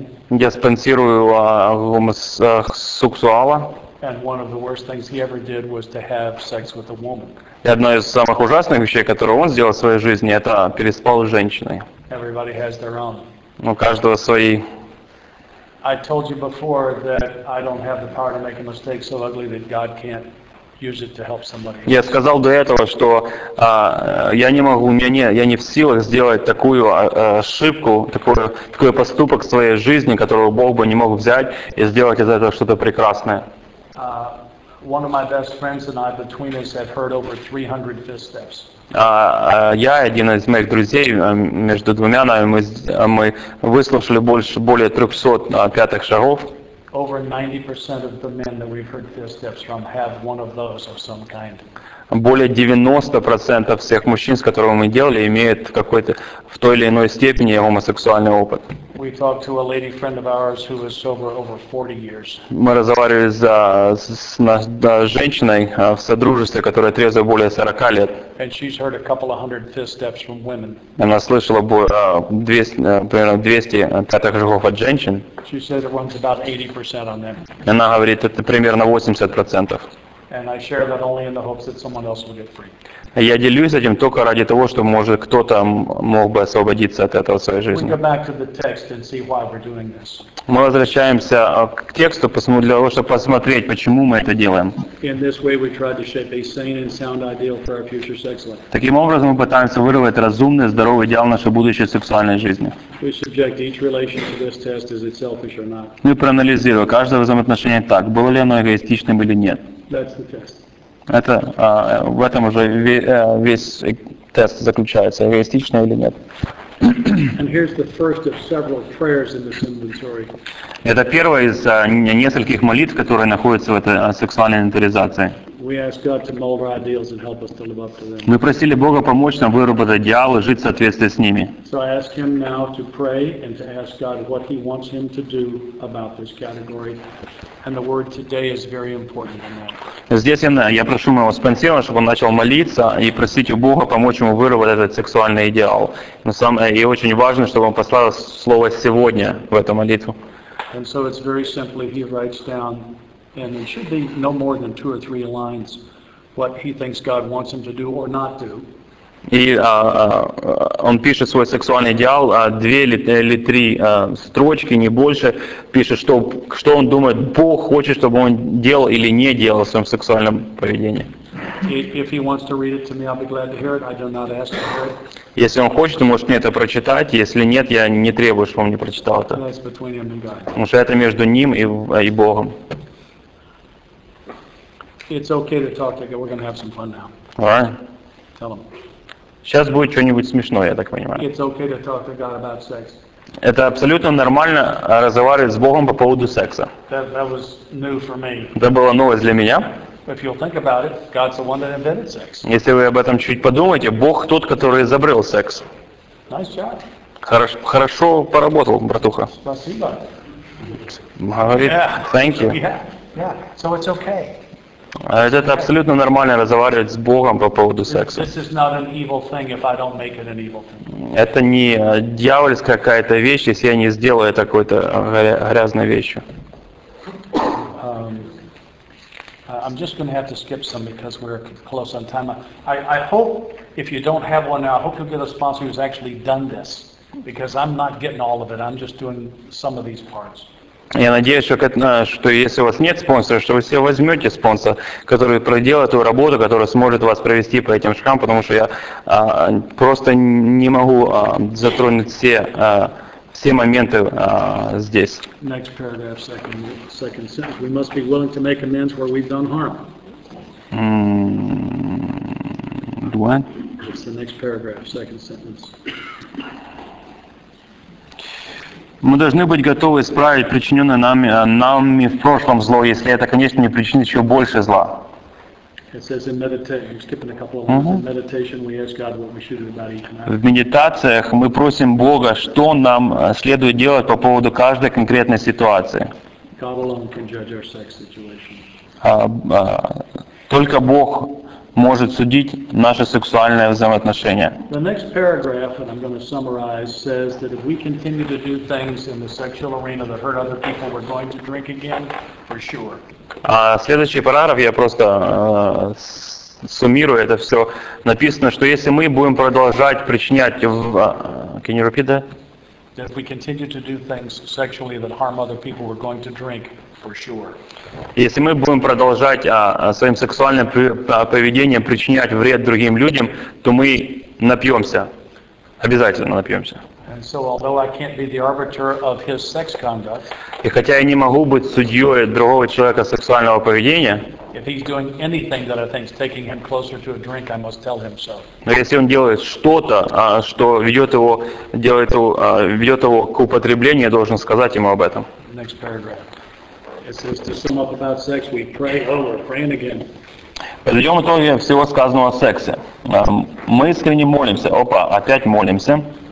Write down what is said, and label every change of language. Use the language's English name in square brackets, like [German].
[Russian] Я спонсирую гомосексуала. [English] And one of the worst things he ever did was to have sex with a woman. [Russian] И одно из самых ужасных вещей, которые он сделал в своей жизни, это переспал с женщиной. [English] Everybody has their own. [Russian] У каждого свои. [English] I told you before that I don't have the power to make a mistake so ugly that God can't use it to help somebody. [Russian] Я сказал до этого, что я не могу, я не в силах сделать такую ошибку, такой поступок в своей жизни, которого Бог бы не мог взять и сделать из этого что-то прекрасное. [English] One of my best friends and I, between us, have heard over 300 fist steps. [Russian] Я один из моих друзей между двумя нами мы выслушали более 300 пятых шагов. [English] Over 90% of the men that we've heard fist steps from have one of those of some kind. [Russian] Более 90% всех мужчин, с которыми мы делали, имеют какой-то в той или иной степени гомосексуальный опыт. [English] We talked to a lady friend of ours who was sober over 40 years. [Russian] Мы разговаривали с женщиной в содружестве, которая трезва более 40 лет. [English] And she's heard a couple of hundred fifth steps from women. [Russian] Она слышала примерно 200 пятых шагов от женщин. [English] She said it runs about 80% on them. [Russian] Она говорит, это примерно 80%. [English] And I share that only in the hopes that someone else will get free. [Russian] Я делюсь этим только ради того, чтобы, может, кто-то мог бы освободиться от этого в своей жизни. [English] We go back to the text and see why we're doing this. [Russian] Мы возвращаемся к тексту, для того, чтобы посмотреть, почему мы это делаем. [English] In this way we try to shape a sane and sound ideal for our future sex life. [Russian] Таким образом, мы пытаемся вырвать разумный, здоровый идеал нашей будущей сексуальной жизни. [English] We subject each relationship to this test, is it selfish or not? [Russian] Мы проанализируем каждое взаимоотношение так, было ли оно эгоистичным или нет. [English] That's the test. [Russian] Это в этом уже весь тест заключается, эгоистично или нет. [English] And here's the first of several prayers in this inventory. [Russian] Это первая из нескольких молитв, которые находятся в этой сексуальной инвентаризации. [English] We ask God to mold our ideals and help us to live up to them. [Russian] Мы просили Бога помочь нам выработать идеалы, жить в соответствии с ними. [English] So I ask Him now to pray and to ask God what He wants Him to do about this category. And the word today is very important in that. [Russian] Здесь я прошу моего спонсора, чтобы он начал молиться и просить у Бога помочь ему выработать этот сексуальный идеал. И очень важно, чтобы он послал слово сегодня в эту молитву. [English] And so it's very simply, he writes down, and it should be no more than two or three lines, what he thinks God wants him to do or not do. [Russian] И он пишет свой сексуальный идеал, две или три строчки, не больше, пишет, что он думает, Бог хочет, чтобы он делал или не делал в своем сексуальном поведении. [English] If he wants to read it to me, I'll be glad to hear it. I do not ask for it. [Russian] Если он хочет, он может мне это прочитать. Если нет, я не требую, чтобы он мне прочитал это. [English] That's between him and God. [Russian] Потому что это между ним и Богом. [English] It's okay to talk to you. We're going to have some fun now. All right. Tell him. [Russian] Сейчас будет что-нибудь смешное, я так понимаю. [English] It's okay to talk to God about sex. [Russian] Это абсолютно нормально разговаривать с Богом по поводу секса. [English] That was new for me. [Russian] Это была новость для меня. [English] If you'll think about it, God's the one that invented sex. [Russian] Если вы об этом чуть подумаете, Бог тот, который изобрел секс. [English] Nice job. [Russian] Хорошо поработал, братуха. Спасибо. Говорит, [English] thank you. Yeah. So it's okay. [Russian] Это абсолютно нормально разговаривать с Богом по поводу секса. Это не дьявольская какая-то вещь, если я не сделаю какой-то грязной вещью. [English] I'm just going to have to skip some because we're close on time. I hope if you don't have one now, I hope you'll get a sponsor who's actually done this because I'm not getting all of it. I'm just doing some of these parts. [Russian] Я надеюсь, что если у вас нет спонсора, что вы все возьмете спонсора, который проделает эту работу, который сможет вас провести по этим шкам, потому что я просто не могу затронуть все моменты здесь. [English] Next paragraph, second sentence. We must be willing to make amends where we've done harm. It's the next paragraph, second sentence. [Russian] Мы должны быть готовы исправить причиненное нами в прошлом зло, если это, конечно, не причинит еще больше зла. В медитациях мы просим Бога, что нам следует делать по поводу каждой конкретной ситуации. Только Бог может судить наши сексуальные взаимоотношения. [English] The next paragraph, and I'm going to summarize, says that if we continue to do things in the sexual arena that hurt other people, we're going to drink again, for sure. [Russian] А следующий параграф я просто суммирую это все. Написано, что если мы будем продолжать причинять [English] can you repeat that? That if we continue to do things sexually that harm other people, we're going to drink. For sure. [Russian] Если мы будем продолжать своим сексуальным поведением причинять вред другим людям, то мы напьемся. Обязательно напьемся. [English] And so, although I can't be the arbiter of his sex conduct, [Russian] и хотя я не могу быть судьей другого человека сексуального поведения, [English] if he's doing anything that I think is taking him closer to a drink, I must tell him so. [Russian] Но если он делает что-то, что ведет его к употреблению, я должен сказать ему об этом. Next paragraph. [English] It says to sum up about sex, we pray. Oh, we're praying again. [Russian] Подведем итоги всего сказанного о сексе. Мы искренне молимся. Опа, опять молимся.